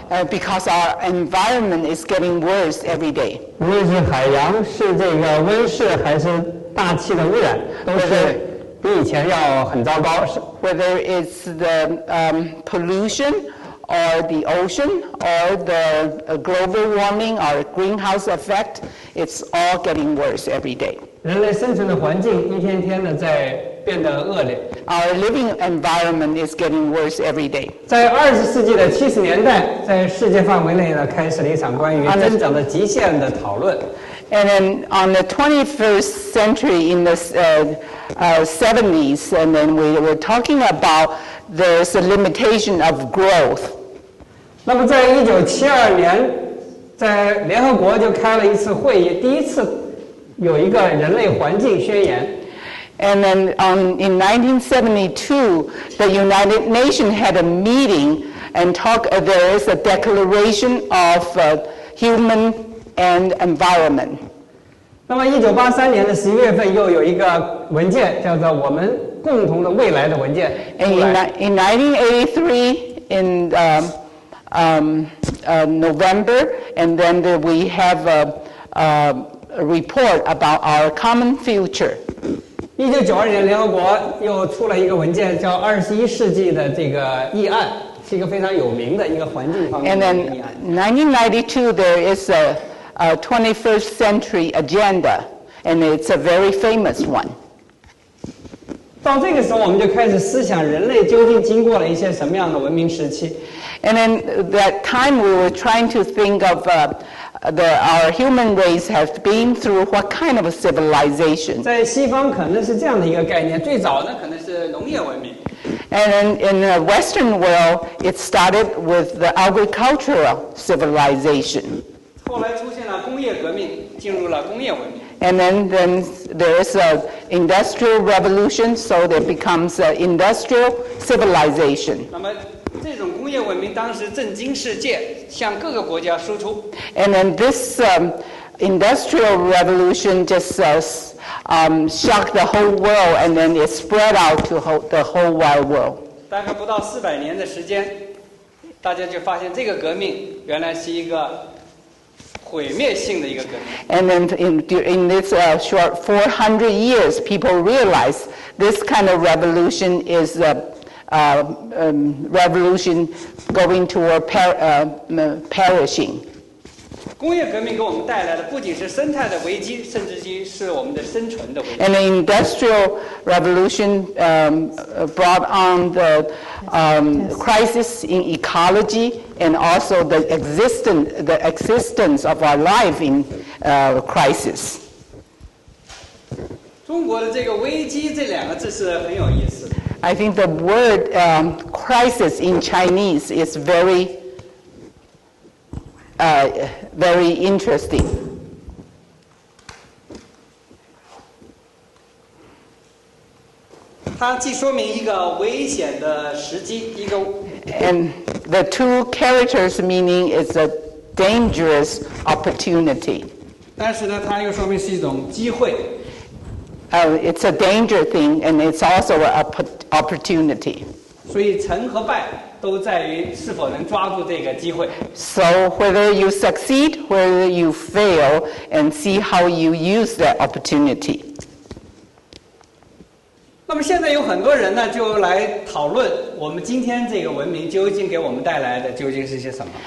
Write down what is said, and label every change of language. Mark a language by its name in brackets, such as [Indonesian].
[English] Because our environment is getting worse every day. [Chinese] 无论是海洋，是这个温室，还是大气的污染，都是比以前要很糟糕。 [English] Whether it's the pollution or the ocean or the global warming or greenhouse effect,It's all getting worse every day. [Chinese] 人类生存的环境一天天的在变得恶劣。 [English] Our living environment is getting worse every day. [Chinese] 在二十世纪的七十年代，在世界范围内呢，开始了一场关于增长的极限的讨论。 [English] And then on the 21st century in the 70s, and then we were talking about there's a limitation of growth. [Chinese] 那么在1972年。在联合国就开了一次会议，第一次有一个人类环境宣言。 [English] And then in 1972, the United Nations had a meeting and there is a declaration of human and environment. [Chinese] 那么1983年的11月份又有一个文件叫做我们共同的未来的文件出来。 [English] In 1983 November, and then we have a report about our common future. [Chinese] 1992年联合国又出了一个文件叫21世纪的这个议案，是一个非常有名的一个环境方面的议案。 [English] And then 1992 there is a 21st century agenda, and it's a very famous one. [Chinese] 到这个时候我们就开始思想人类究竟经过了一些什么样的文明时期。 [English] And then that time we were trying to think of our human race has been through what kind of a civilization. [Chinese] 在西方可能是这样的一个概念，最早的可能是农业文明。 [English] And in the Western world, it started with the agricultural civilization. [Chinese] 后来出现了工业革命，进入了工业文明。 [English] And then there is an industrial revolution, so there becomes an industrial civilization. [Chinese] 那么这种工业文明当时震惊世界，向各个国家输出。 [English] And then this industrial revolution just shocked the whole world, and then it spread out to the whole wide world. [Chinese] 大概不到400年的时间，大家就发现这个革命原来是一个毁灭性的一个革命。 [English] And then in this short 400 years, people realize this kind of revolution is revolution going toward perishing. [Chinese] 工业革命给我们带来的不仅是生态的危机，甚至于是我们的生存的危机。 [English] And the industrial revolution brought on the crisis in ecology and also the existence of our life in crisis. [Chinese] 中国的这个危机这两个字是很有意思的。 [English] I think the word crisis in Chinese is very. Very interesting. [Chinese] 它既说明一个危险的时机，一个。 [English] And the two characters meaning is a dangerous opportunity. [Chinese] 但是呢，它又说明是一种机会。 [English] It's a danger thing, and it's also an opportunity. [Chinese] 所以成和败。都在于是否能抓住这个机会。 [English] So whether you succeed, whether you fail, and see how you use that opportunity. [Chinese] 那么现在有很多人呢，就来讨论我们今天这个文明究竟给我们带来的究竟是些什么。